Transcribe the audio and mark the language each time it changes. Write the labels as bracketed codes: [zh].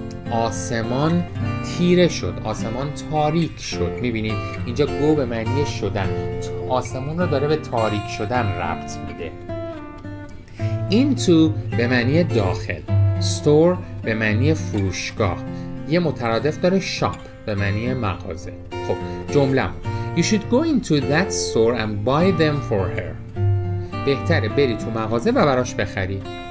[fa] آسمان تیره شد، آسمان تاریک شد. میبینید اینجا گو به معنی شدن، آسمان رو داره به تاریک شدن ربط میده. Into به معنی داخل. Store به معنی فروشگاه. یه مترادف داره shop به معنی مغازه. خب جمله‌م، [en] You should go into that store and buy them for her. [fa] بهتره بری تو مغازه و براش بخری.